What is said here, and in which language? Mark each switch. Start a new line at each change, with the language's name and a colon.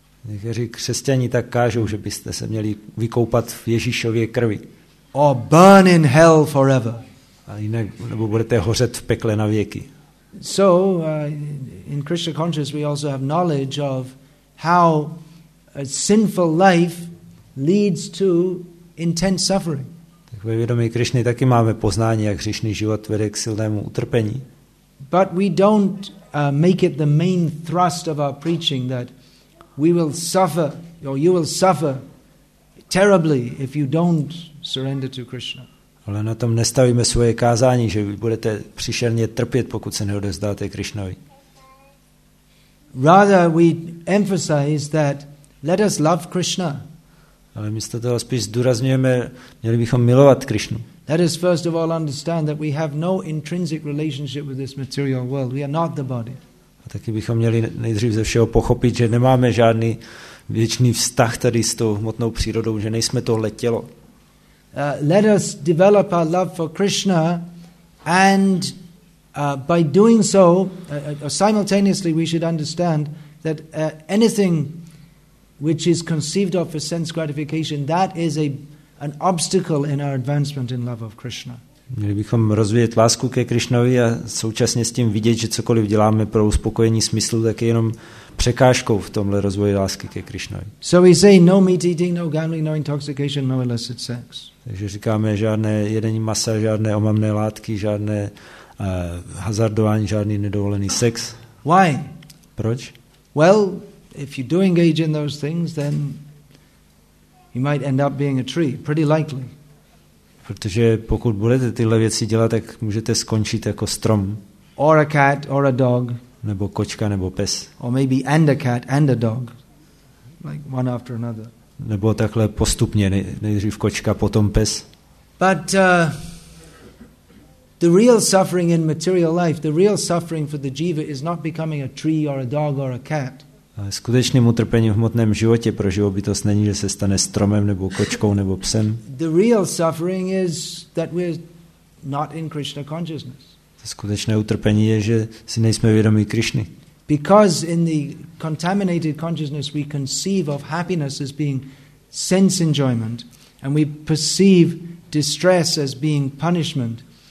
Czech: Někteří křesťani tak kážou, že byste se měli vykoupat v Ježíšově krvi.
English: Or burn in hell forever.
Czech: A jinak nebo budete hořet v pekle na věky.
English: So in Krishna consciousness we also have knowledge of how a sinful life leads to intense suffering.
Czech: Tak ve vědomí Krišny taky máme poznání, jak hříšný život vede k silnému utrpení.
English: But we don't make it the main thrust of our preaching that we will suffer or you will suffer terribly if you don't surrender to Krishna.
Czech: Ale na tom nestavíme svoje kázání, že vy budete příšerně trpět, pokud se neodevzdáte Krišnovi.
English: Rather we emphasize that let us love Krishna.
Czech: Ale místo toho spíš zdůrazňujeme, měli bychom milovat Krišnu.
English: Let us first of all understand that we have no intrinsic relationship with this material world. We are not the body.
Czech: A taky bychom měli nejdřív ze všeho pochopit, že nemáme žádný věčný vztah tady s tou hmotnou přírodou, že nejsme tohle tělo.
English: Let us develop our love for Krishna and by doing so simultaneously we should understand that anything which is conceived of for sense gratification that is an obstacle in our advancement in love of Krishna.
Czech: Měli bychom rozvíjet lásku ke Krišnovi a současně s tím vidět, že cokoliv děláme pro uspokojení smyslu, tak je jenom překážkou v tomhle rozvoji lásky ke Krišnovi.
English: So we say no meat eating, no gambling, no intoxication, no illicit sex.
Czech: Takže říkáme žádné jedení masa, žádné omamné látky, žádné hazardování, žádný nedovolený sex.
English: Why?
Czech: Proč?
English: Well, if you do engage in those things, then you might end up being a tree, pretty likely.
Czech: Protože pokud budete tyhle věci dělat, tak můžete skončit jako strom.
English: Or a cat, or a dog.
Czech: Nebo kočka, nebo pes.
English: Or maybe and a cat, and a dog. Like one after another.
Czech: Nebo takhle postupně, nejdřív kočka, potom pes.
English: But the real suffering in material life, the real suffering for the jiva is not becoming a tree or a dog or a cat.
Czech: Ale skutečným utrpením v hmotném životě pro živobytost není, že se stane stromem nebo kočkou nebo psem.
English: The real suffering is that we're not in Krishna consciousness.
Czech: To skutečné utrpení je, že si nejsme vědomí Krišny.
English: Because in the contaminated consciousness we conceive of happiness as being sense enjoyment and we perceive distress as being punishment.